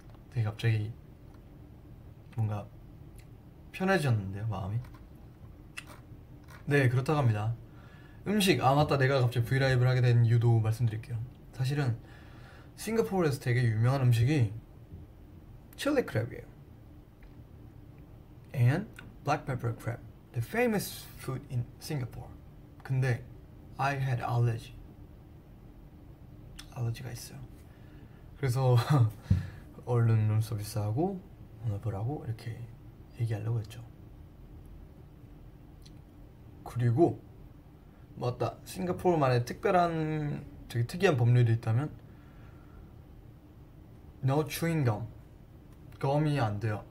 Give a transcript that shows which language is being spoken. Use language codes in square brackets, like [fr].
[ko] 되게 갑자기 뭔가 편해졌는데요 마음이. 네 그렇다고 합니다. 음식, 아 맞다, 내가 갑자기 브이라이브를 하게 된 이유도 말씀드릴게요. 사실은 싱가포르에서 되게 유명한 음식이 칠리 크랩이에요. [en] And black pepper crab, the famous food in Singapore. [ko] 근데 [en] I had allergy. [ko] 알러지가 있어요. 그래서 얼른 룸서비스하고 오늘 보라고 이렇게 얘기하려고 했죠. 그리고 맞다, 싱가포르만의 특별한 되게 특이한 법률이 있다면 [en] No chewing gum. [ko] 검이 안 돼요.